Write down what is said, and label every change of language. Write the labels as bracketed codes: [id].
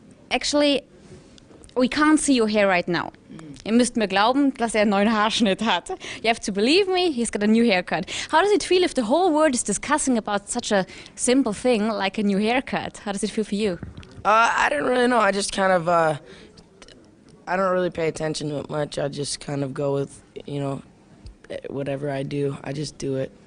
[en] Actually, we can't see your hair right now. [de] Ihr müsst mir glauben, dass einen neuen Haarschnitt hat. [en] You have to believe me, he's got a new haircut. How does it feel if the whole world is discussing about such a simple thing like a new haircut? How does it feel for you? I don't really know. I just kind of, I don't really pay attention to it much. I just kind of go with, you know, whatever I do, I just do it.